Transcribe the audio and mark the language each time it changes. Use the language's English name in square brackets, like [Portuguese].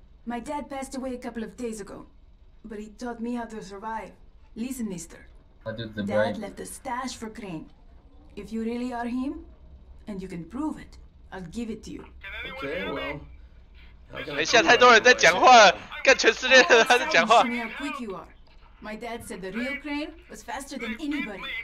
[English] My dad passed away a couple of days ago, but he taught me how to survive. Listen, Mister. Dad left a stash for Crane. If you really are him, and you can prove it, I'll give it to you. Okay, well. [Chinese] 等一下，太多人在讲话了，看全世界的人在讲话。 [English] My dad said the real Crane was faster than anybody.